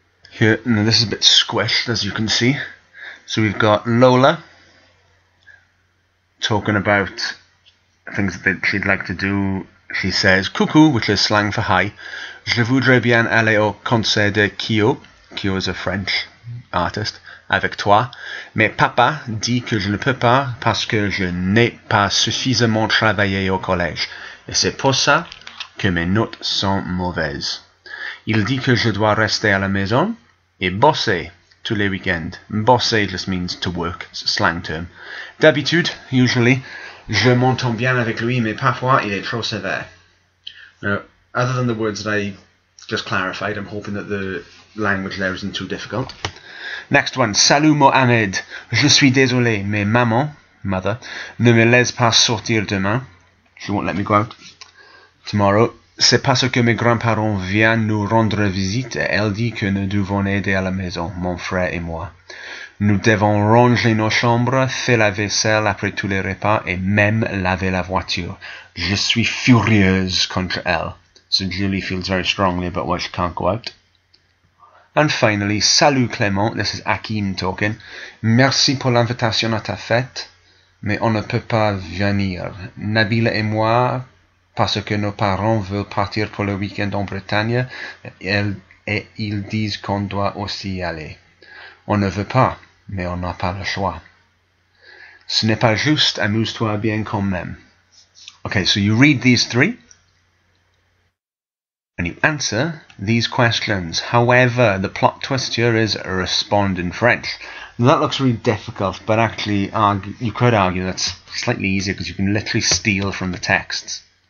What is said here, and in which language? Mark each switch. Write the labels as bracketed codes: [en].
[en] Here, now this is a bit squished, as you can see. So we've got Lola talking about things that she'd like to do. She says, coucou, which is slang for hi. [fr] Je voudrais bien aller au concert de Kyo. [en] Kyo is a French artist. [fr] Avec toi. Mais papa dit que je ne peux pas parce que je n'ai pas suffisamment travaillé au collège. Et c'est pour ça que mes notes sont mauvaises. Il dit que je dois rester à la maison et bosser tous les week-ends. [en] Bosser just means to work. It's a slang term. [fr] D'habitude, [en] usually, [fr] je m'entends bien avec lui, mais parfois il est trop sévère. [en] Now, other than the words that I just clarified, I'm hoping that the language there isn't too difficult. Next one. [fr] Salut [en] Mohamed. [fr] Je suis désolé, mais maman, [en] mother, [fr] ne me laisse pas sortir demain. [en] She won't let me go out tomorrow. [fr] C'est parce que mes grands-parents viennent nous rendre visite et elle dit que nous devons aider à la maison, mon frère et moi. Nous devons ranger nos chambres, faire la vaisselle après tous les repas et même laver la voiture. Je suis furieuse contre elle. [en] So Julie feels very strongly about why she can't go out. And finally, salut Clément, this is Hakim talking. [fr] Merci pour l'invitation à ta fête. Mais on ne peut pas venir. Nabila et moi, parce que nos parents veulent partir pour le week-end en Bretagne, et ils disent qu'on doit aussi y aller. On ne veut pas, mais on n'a pas le choix. Ce n'est pas juste, amuse-toi bien quand même. [en] Okay, so you read these three, and you answer these questions. However, the plot twist here is respond in French. That looks really difficult, but actually, you could argue that's slightly easier because you can literally steal from the texts.